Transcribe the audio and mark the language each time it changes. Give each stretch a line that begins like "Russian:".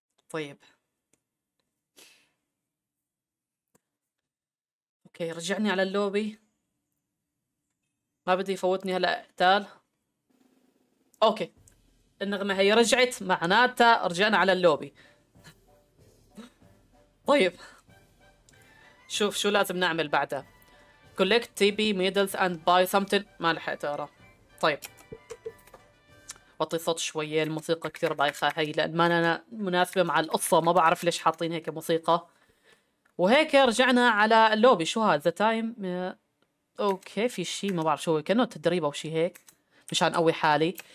Arabic: طيب اوكي رجعني على اللوبي، ما بدي يفوتني هلا قتال. اوكي النغمة هي رجعت، معناتها رجعنا على اللوبي. طيب شوف شو لازم نعمل بعدها.
English: collect TB medals and buy something.
Arabic: ما لحقت اقرا. طيب وطي صوت شوية، الموسيقى كتير بايخة هاي لان ما انا مناسبة مع القصة، ما بعرف ليش حاطين هيك موسيقى. وهيك رجعنا على اللوبي. شو هذا
English: the time؟
Arabic: اوكي في شي ما بعرف شو، كأنه تدريب او شي هيك مشان قوي حالي.